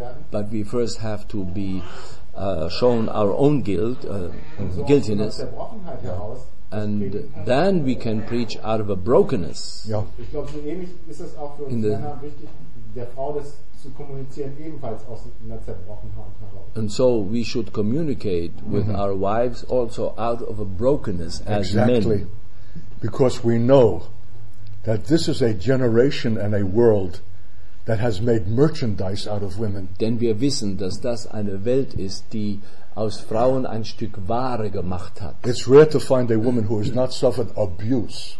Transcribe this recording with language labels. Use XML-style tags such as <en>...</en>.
<en>But we first have to be shown our own guilt, guiltiness. And then we can preach out of a brokenness.</en> <de>Ich glaube, so ähnlich ist es auch für uns Männer wichtig, der Frau das zu kommunizieren, ebenfalls aus einer zerbrochenen Hand heraus.</de> <en>And so we should communicate with our wives also out of a brokenness as men. Exactly. Because we know that this is a generation and a world that has made merchandise out of women.</en> <de>Denn wir wissen, dass das eine Welt ist, die aus Frauen ein Stück Ware gemacht hat.</de> <en>It's rare to find a woman who has not suffered abuse.</en>